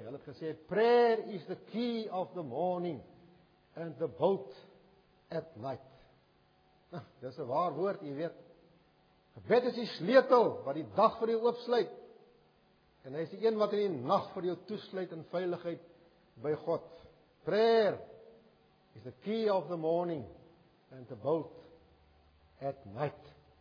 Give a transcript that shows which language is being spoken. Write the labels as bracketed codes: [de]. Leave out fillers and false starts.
[af] Hulle het gesê, [en] prayer is the key of the morning and the boat at night. [af] Dis 'n waar woord, jy weet. Gebed is die sleutel wat die dag vir jou oopsluit. En hy is die een wat in die nag vir jou toesluit in veiligheid by God. [en] Prayer is the key of the morning and the boat at night.